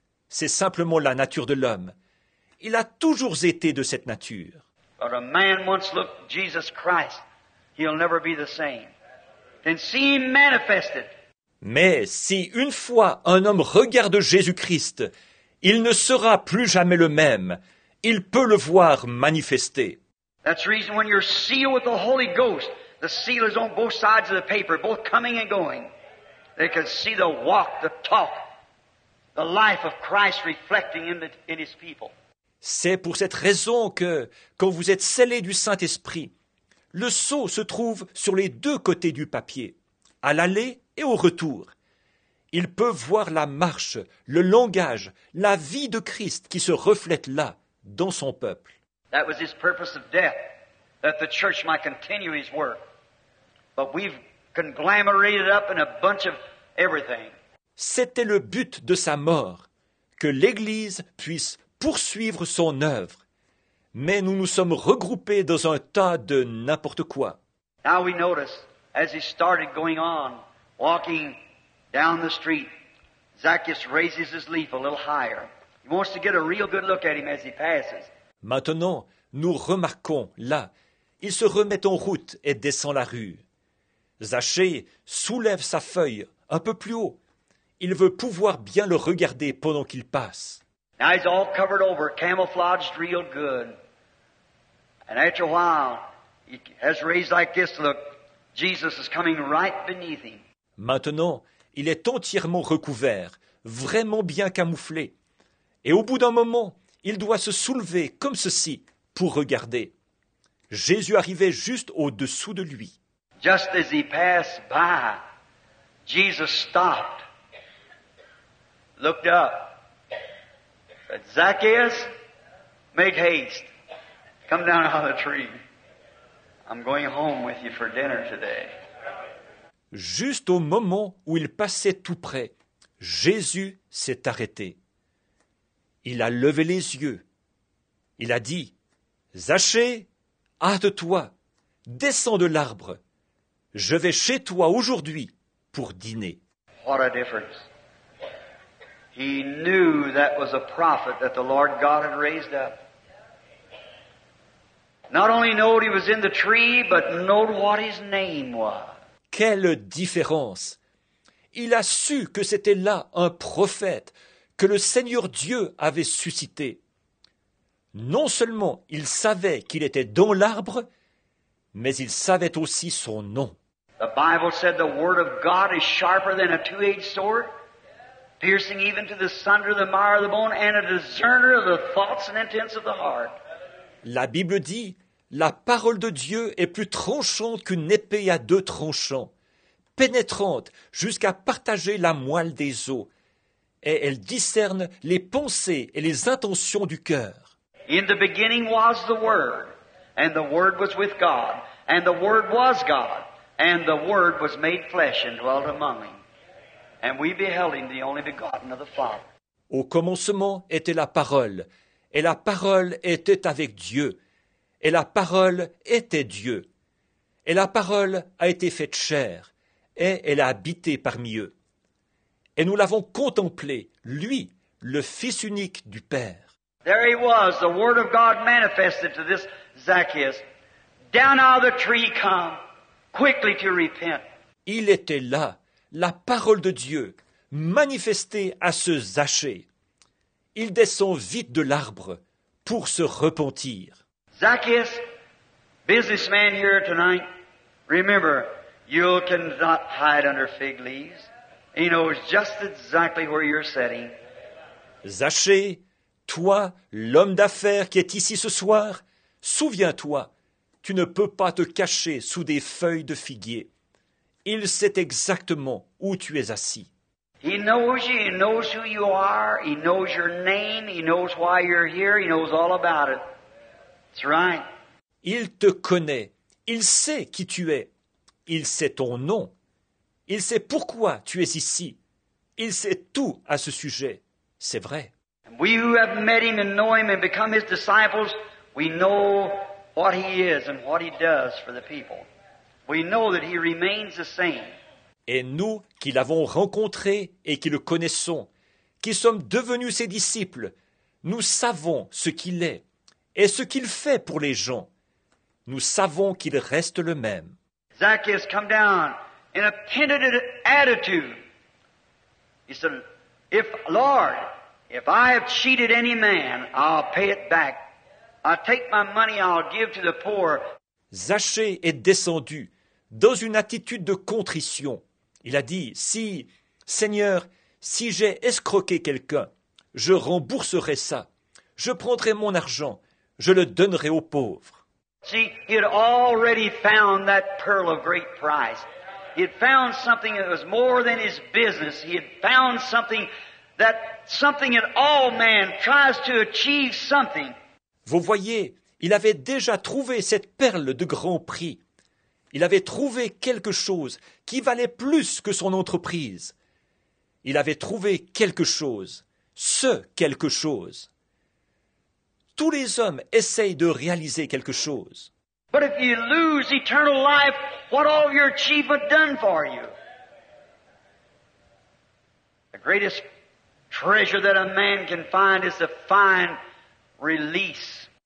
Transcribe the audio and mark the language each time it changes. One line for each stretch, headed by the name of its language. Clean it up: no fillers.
French: C'est simplement la nature de l'homme. Il a toujours été de cette nature.
English: But a man once looked at Jesus Christ, he'll never be the same. And see him manifested.
French: Mais si une fois un homme regarde Jésus-Christ, il ne sera plus jamais le même. Il peut le voir manifesté.
English: That's the reason when you're sealed with the Holy Ghost, the seal is on both sides of the paper, both coming and going. They can see the walk, the talk, the life of Christ reflecting in his people.
French: C'est pour cette raison que, quand vous êtes scellé du Saint-Esprit, le sceau se trouve sur les deux côtés du papier, à l'aller et au retour. Il peut voir la marche, le langage, la vie de Christ qui se reflète là, dans son peuple.
English: That was his purpose of death, that the church might continue his work. But we've conglomerated up in a bunch of everything.
French: C'était le but de sa mort, que l'Église puisse poursuivre son œuvre. Mais nous nous sommes regroupés dans un tas de n'importe quoi.
English: Now we notice, as he started going on, walking down the street, Zacchaeus raises his leaf a little higher. He wants to get a real good look at him as he passes.
French: Maintenant, nous remarquons là, il se remet en route et descend la rue. Zachée soulève sa feuille un peu plus haut. Il veut pouvoir bien le regarder pendant qu'il passe.
English: Now he's all covered over, camouflaged real good. And after a while, he has raised like this look. Jesus is coming right beneath him.
French: Maintenant, il est entièrement recouvert, vraiment bien camouflé. Et au bout d'un moment, il doit se soulever comme ceci pour regarder. Jésus arrivait juste au-dessous de lui.
English: Just as he passed by, Jesus stopped, looked up. Said, Zacchaeus, make haste. Come down out of the tree. I'm going home with you for dinner today.
French: Juste au moment où il passait tout près, Jésus s'est arrêté. Il a levé les yeux. Il a dit, « Zachée, hâte-toi, descends de l'arbre. Je vais chez toi aujourd'hui pour dîner. »
English: What a difference. He knew that was a prophet that the Lord God had raised up. Not only knew he was in the tree, but knew what his name was.
French: Quelle différence! Il a su que c'était là un prophète que le Seigneur Dieu avait suscité. Non seulement il savait qu'il était dans l'arbre, mais il savait aussi son nom.
English: The Bible said the word of God is sharper than a two-edged sword, piercing even to the sunder the marrow of the bone and a discerner of the thoughts and intents of the heart.
French: La Bible dit, la parole de Dieu est plus tranchante qu'une épée à deux tranchants, pénétrante jusqu'à partager la moelle des os. et elle discerne les pensées et les intentions du cœur.
English: In the beginning was the Word, and the Word was with God, and the Word was God, and the Word was made flesh and dwelt among them. And we beheld him, the only begotten of the Father.
French: Au commencement était la parole, et la parole était avec Dieu, et la parole était Dieu. Et la parole a été faite chair, et elle a habité parmi eux. Et nous l'avons contemplé, lui, le Fils unique du Père.
English: There he was, the Word of God manifested to this Zacchaeus. Down out of the tree come, quickly to repent.
French: Il était là, la parole de Dieu, manifestée à ce Zachée. Il descend vite de l'arbre pour se repentir.
English: Zacchaeus, businessman here tonight, remember, you cannot hide under fig leaves. He knows just exactly where you're sitting.
French: Zachée, toi, l'homme d'affaires qui est ici ce soir, souviens-toi, tu ne peux pas te cacher sous des feuilles de figuier. Il sait exactement où tu es assis.
English: He knows you, he knows who you are, he knows your name, he knows why you're here, he knows all about it. That's right.
French: Il te connaît, il sait qui tu es, il sait ton nom, il sait pourquoi tu es ici, il sait tout à ce sujet, c'est vrai.
English: We who have met him and know him and become his disciples, we know what he is and what he does for the people. We know that he remains the same.
French: Et nous qui l'avons rencontré et qui le connaissons, qui sommes devenus ses disciples, nous savons ce qu'il est et ce qu'il fait pour les gens. Nous savons qu'il reste le même.
English: Zacchaeus, come down in a penitent attitude. He said, if, Lord, if I have cheated any man, I'll pay it back. I'll take my money, I'll give to the poor.
French: Zachée est descendu dans une attitude de contrition. Il a dit, si, Seigneur, si j'ai escroqué quelqu'un, je rembourserai ça. Je prendrai mon argent, je le donnerai aux pauvres.
English: See, he had already found that pearl of great price. He had found something that was more than his business. He had found something that all man tries to achieve something.
French: Vous voyez, il avait déjà trouvé cette perle de grand prix. Il avait trouvé quelque chose qui valait plus que son entreprise. Il avait trouvé quelque chose, ce quelque chose. Tous les hommes essayent de réaliser quelque chose.
English: But if you lose eternal life, what all your achievement done for you? The greatest treasure that a man can find is to find release.